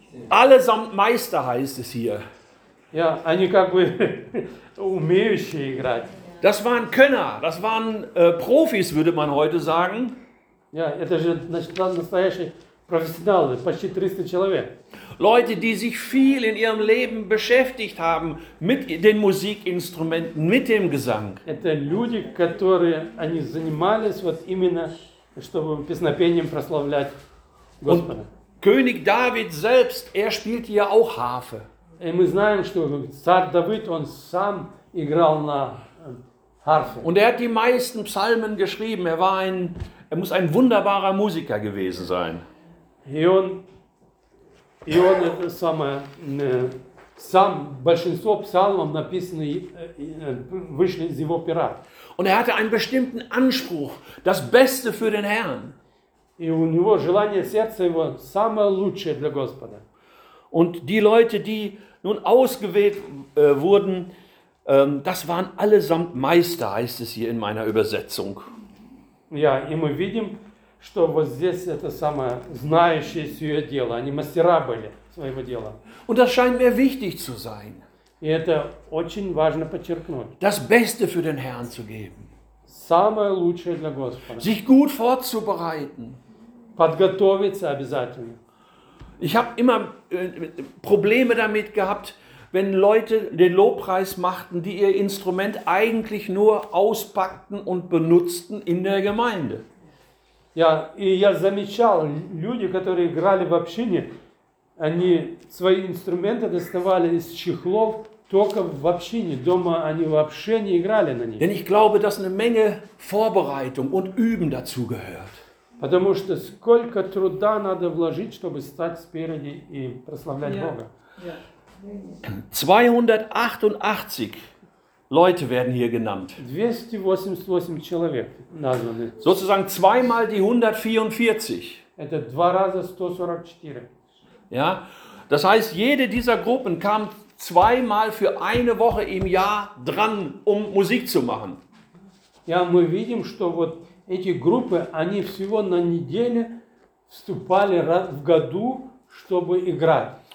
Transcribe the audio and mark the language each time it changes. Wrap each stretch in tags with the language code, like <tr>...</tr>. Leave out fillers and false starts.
<de>Allesamt Meister heißt es hier.</de> <ru>Ja, они как бы умеющие играть.</ru> <de>Das waren Könner, das waren Profis, würde man heute sagen.</de> <ru>Ja, это же настоящие Профессионалы, почти 300 человек.</ru> <de>Leute, die sich viel in ihrem Leben beschäftigt haben mit den Musikinstrumenten, mit dem Gesang.</de> <ru>Это люди, которые они занимались вот именно чтобы песнопением прославлять Господа.</ru> <de>König David selbst, er spielte ja auch Harfe.</de> <ru>И мы знаем, что царь Давид, он сам играл на Harfe.</ru> <de>Und er hat die meisten Psalmen geschrieben. Er muss ein wunderbarer Musiker gewesen sein.</de> <ru>И он это самое, сам большинство псалмов написаны вышли из его пера.</ru> <de>Und er hatte einen bestimmten Anspruch, das Beste für den Herrn.</de> <ru>И у него желание сердца его самое лучшее для Господа.</ru> <de>Und die Leute, die nun ausgewählt wurden, das waren allesamt Meister, heißt es hier in meiner Übersetzung.</de> <ru>Ja, и мы видим, что вот здесь это самое знающее свое дело, они мастера были своего дела.</ru> <de>Und das scheint mir wichtig zu sein.</de> <ru>И это очень важно подчеркнуть.</ru> <de>Das Beste für den Herrn zu geben.</de> <ru>Самое лучшее для Господа.</ru> <de>Sich gut vorzubereiten.</de> <ru>Подготовиться обязательно.</ru> <de>Ich habe immer Probleme damit gehabt, wenn Leute den Lobpreis machten, die ihr Instrument eigentlich nur auspackten und benutzten in der Gemeinde.</de> <ru>Ja, и я замечал, люди, которые играли в общине, они свои инструменты доставали из чехлов только в общине. Дома они вообще не играли на них.</ru> <de>Denn ich glaube, dass eine Menge Vorbereitung und Üben dazu gehört.</de> <ru>Потому что сколько труда надо вложить, чтобы стать спереди и прославлять yeah. Бога. Yeah.</ru> <de>288 Leute werden hier genannt.</de> <ru>288 человек названы.</ru> <de>Sozusagen zweimal die 144.</de> <ru>Это два раза 144.</ru> <de>Ja, das heißt, jede dieser Gruppen kam zweimal für eine Woche im Jahr dran, um Musik zu machen.</de> <ru>Ja, мы видим, что вот эти группы, они всего на неделе вступали раз в году, чтобы играть.</ru>